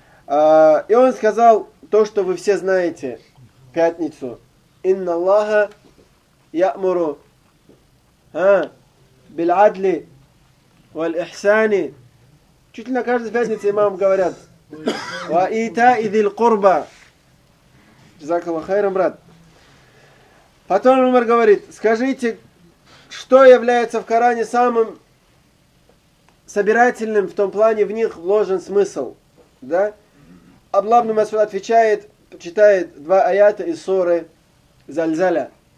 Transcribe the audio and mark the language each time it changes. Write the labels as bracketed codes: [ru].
[ru] И он сказал то, что вы все знаете, пятницу. [ar] Инна Аллаха ямуру биль адли валь ихсани. [ru] Чуть ли на каждой пятнице имам говорят. [ar] وَإِيْتَاءِ ذِي الْقُرْبَ جزاك الله خيرًا, брат. [ru] Потом Умар говорит, скажите, что является в Коране самым собирательным, в том плане в них вложен смысл, да? Абдулла ибн Масуд отвечает, читает два аята из суры Зальзаля.